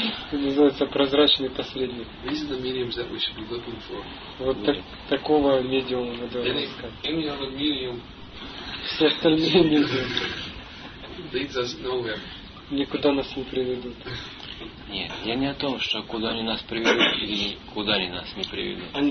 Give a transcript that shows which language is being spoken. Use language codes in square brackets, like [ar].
[ru] Это называется прозрачный посредник. [en] These are the mediums that we should be looking for. [ru] Вот такого медиума мы должны искать. [en] Any other medium. [ru] Все остальные медиумы. [en] Leads us nowhere. [ru] Никуда нас не приведут. Нет, я не о том, что куда они нас приведут или куда они нас не приведут.